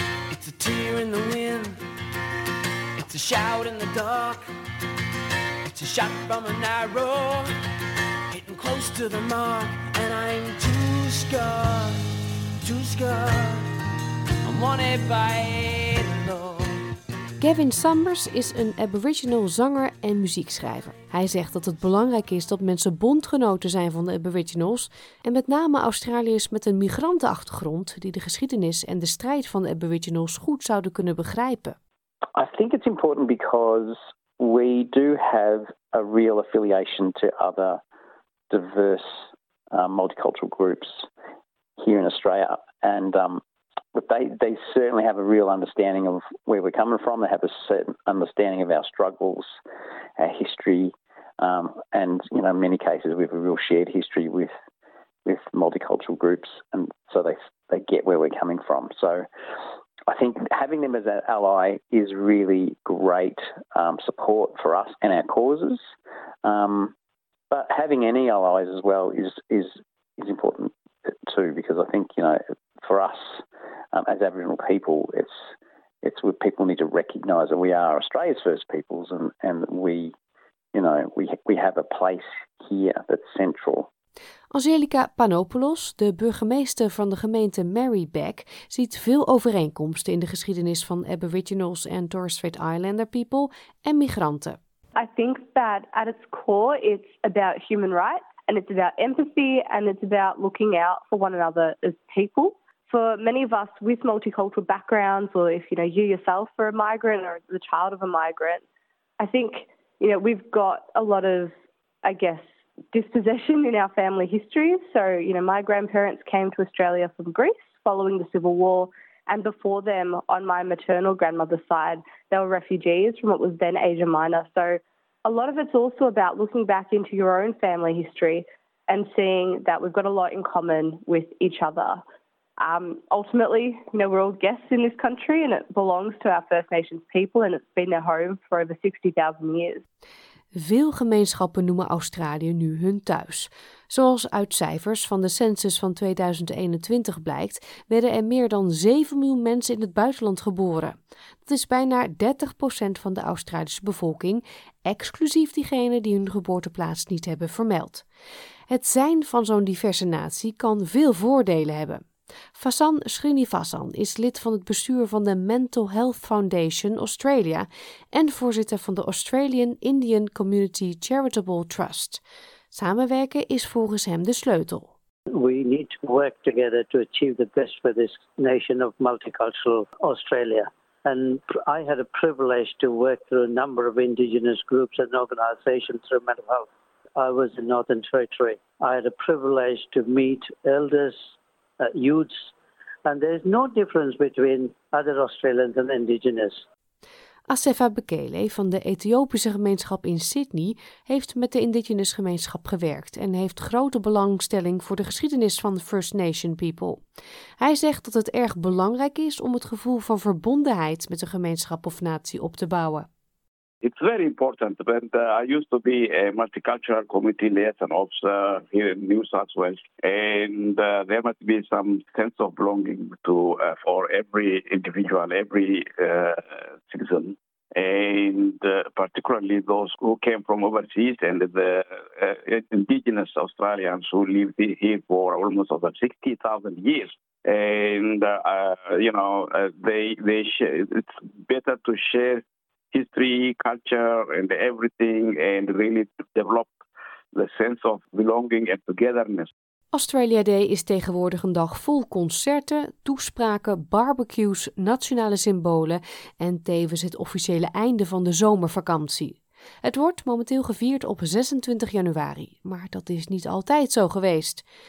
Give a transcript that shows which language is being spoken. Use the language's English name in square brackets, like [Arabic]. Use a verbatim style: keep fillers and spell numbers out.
[English] It's a tear in the wind, it's a shout in the dark, it's a shot from an arrow, hitting close to the mark, and I'm too scarred, too scarred, I'm wanted by the Lord. [Dutch] Gavin Summers is een Aboriginal zanger en muziekschrijver. Hij zegt dat het belangrijk is dat mensen bondgenoten zijn van de Aboriginals en met name Australiërs met een migrantenachtergrond die de geschiedenis en de strijd van de Aboriginals goed zouden kunnen begrijpen. [English] I think it's important because we do have a real affiliation to other diverse uh, multicultural groups here in Australia and um But they, they certainly have a real understanding of where we're coming from. They have a certain understanding of our struggles, our history, um, and, you know, in many cases we have a real shared history with with multicultural groups, and so they they get where we're coming from. So I think having them as an ally is really great um, support for us and our causes. Um, but having any allies as well is is is important too, because I think, you know, for us, um, as Aboriginal people, it's it's what people need to recognise that we are Australia's first peoples, and and we, you know, we we have a place here that's central. [Dutch] Angelica Panopoulos, de burgemeester van de gemeente Marybeck, ziet veel overeenkomsten in de geschiedenis van Aboriginals en Torres Strait Islander people en migranten. [English] I think that at its core, it's about human rights, and it's about empathy, and it's about looking out for one another as people. For many of us with multicultural backgrounds, or if, you know, you yourself are a migrant or the child of a migrant, I think, you know, we've got a lot of, I guess, dispossession in our family history. So, you know, my grandparents came to Australia from Greece following the Civil War, and before them, on my maternal grandmother's side, they were refugees from what was then Asia Minor. So a lot of it's also about looking back into your own family history and seeing that we've got a lot in common with each other. Um, ultimately, you know, we're all guests in this country and it belongs to our First Nations people and it's been their home for over sixty thousand years. [Dutch] Veel gemeenschappen noemen Australië nu hun thuis. Zoals uit cijfers van de census van tweeduizend eenentwintig blijkt, werden er meer dan zeven miljoen mensen in het buitenland geboren. Dat is bijna dertig procent van de Australische bevolking, exclusief diegenen die hun geboorteplaats niet hebben vermeld. Het zijn van zo'n diverse natie kan veel voordelen hebben. Fasan Srinivasan is lid van het bestuur van de Mental Health Foundation Australia en voorzitter van de Australian Indian Community Charitable Trust. Samenwerken is volgens hem de sleutel. [English] We need to work together to achieve the best for this nation of multicultural Australia. And I had a privilege to work through a number of Indigenous groups and organisations through mental health. I was in Northern Territory. I had a privilege to meet elders, Uh, youths, and there is no difference between other Australians and Indigenous. [Dutch] Asefa Bekele van de Ethiopische gemeenschap in Sydney heeft met de Indigenous gemeenschap gewerkt en heeft grote belangstelling voor de geschiedenis van de First Nation people. Hij zegt dat het erg belangrijk is om het gevoel van verbondenheid met de gemeenschap of natie op te bouwen. [English] It's very important. When uh, I used to be a multicultural community liaison officer here in New South Wales, and uh, there must be some sense of belonging to uh, for every individual, every uh, citizen, and uh, particularly those who came from overseas and the uh, Indigenous Australians who lived here for almost over sixty thousand years. And uh, you know, uh, they they share, it's better to share history, culture, and everything, and really develop the sense of belonging and togetherness. [Dutch] Australia Day is tegenwoordig een dag vol concerten, toespraken, barbecues, nationale symbolen en tevens het officiële einde van de zomervakantie. Het wordt momenteel gevierd op zesentwintig januari, maar dat is niet altijd zo geweest.